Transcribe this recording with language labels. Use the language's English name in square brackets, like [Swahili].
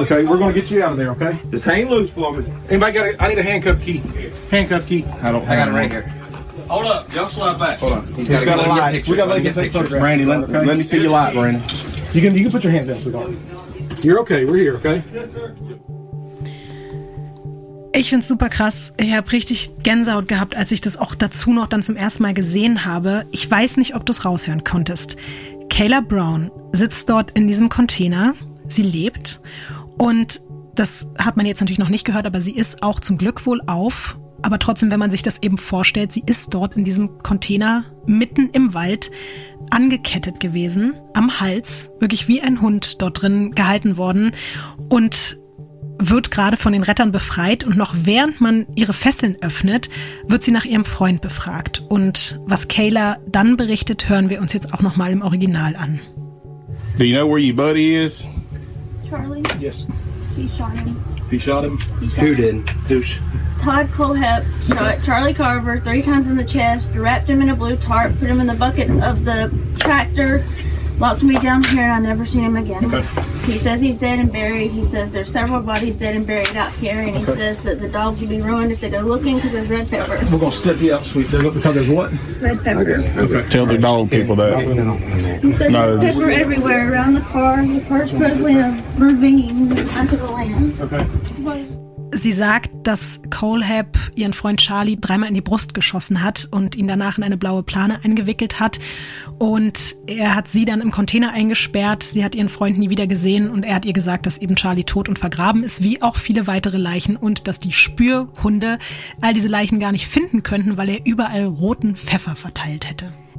[English] Okay, we're gonna get you out of there. Okay. Just hang loose for me. Anybody got it? I need a handcuff key. Handcuff key. I got it right here. Hold up. Y'all slide back. Hold on. He's got a light. We gotta get pictures. Randy, let me see your light, Randy. You can put your hands up. You're okay. We're here. Okay. Yes, sir. [German] Ich finde es super krass. Ich habe richtig Gänsehaut gehabt, als ich das auch dazu noch dann zum ersten Mal gesehen habe. Ich weiß nicht, ob du es raushören konntest. Kayla Brown sitzt dort in diesem Container. Sie lebt. Und das hat man jetzt natürlich noch nicht gehört, aber sie ist auch zum Glück wohl auf. Aber trotzdem, wenn man sich das eben vorstellt, sie ist dort in diesem Container mitten im Wald angekettet gewesen, am Hals, wirklich wie ein Hund dort drin gehalten worden und wird gerade von den Rettern befreit. Und noch während man ihre Fesseln öffnet, wird sie nach ihrem Freund befragt. Und was Kayla dann berichtet, hören wir uns jetzt auch nochmal im Original an. [English] Do you know where your buddy is? Charlie? Yes. He shot him? Who did? Todd Colehep shot Charlie Carver 3 times in the chest, wrapped him in a blue tarp, put him in the bucket of the tractor, locked me down here, and I never seen him again. Okay. He says he's dead and buried. He says there's several bodies dead and buried out here, and okay. He says that the dogs will be ruined if they go looking because there's red pepper. We're going to step you up, sweet. They're looking because there's what? Red pepper. Okay. Tell the dog people that. He says there's pepper everywhere around the car. The car's supposedly in a ravine under the land. Okay. [German] Sie sagt, dass Colehep ihren Freund Charlie 3-mal in die Brust geschossen hat und ihn danach in eine blaue Plane eingewickelt hat. Und er hat sie dann im Container eingesperrt. Sie hat ihren Freund nie wieder gesehen und er hat ihr gesagt, dass eben Charlie tot und vergraben ist, wie auch viele weitere Leichen, und dass die Spürhunde all diese Leichen gar nicht finden könnten, weil er überall roten Pfeffer verteilt hätte.